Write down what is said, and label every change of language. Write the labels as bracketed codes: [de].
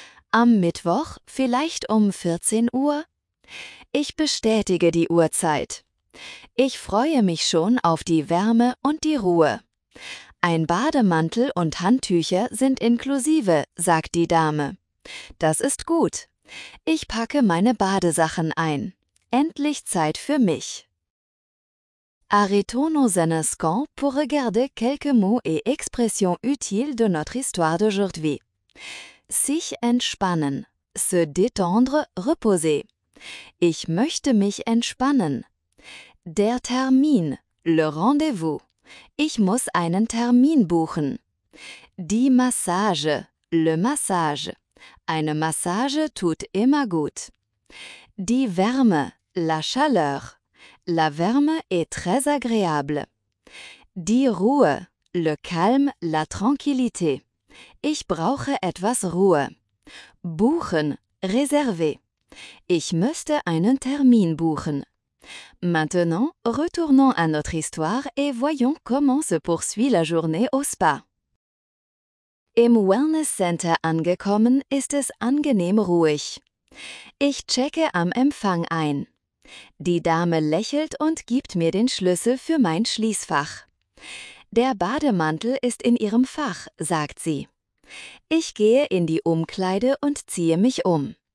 [de] Am Mittwoch, vielleicht um 14 Uhr? Ich bestätige die Uhrzeit. Ich freue mich schon auf die Wärme und die Ruhe. Ein Bademantel und Handtücher sind inklusive, sagt die Dame. Das ist gut. Ich packe meine Badesachen ein. Endlich Zeit für mich. [fr] Arrêtons-nous un instant pour regarder quelques mots et expressions utiles de notre histoire d'aujourd'hui. [de] Sich entspannen, [fr] se détendre, reposer. [de] Ich möchte mich entspannen. Der Termin, [fr] le rendez-vous. [de] Ich muss einen Termin buchen. Die Massage, [fr] le massage. [de] Eine Massage tut immer gut. Die Wärme, [fr] la chaleur. La Wärme est très agréable. [de] Die Ruhe, [fr] le calme, la tranquillité. [de] Ich brauche etwas Ruhe. Buchen, [fr] réserver. [de] Ich müsste einen Termin buchen. [fr] Maintenant, retournons à notre histoire et voyons comment se poursuit la journée au Spa. [de] Im Wellness Center angekommen, ist es angenehm ruhig. Ich checke am Empfang ein. Die Dame lächelt und gibt mir den Schlüssel für mein Schließfach. Der Bademantel ist in ihrem Fach, sagt sie. Ich gehe in die Umkleide und ziehe mich um.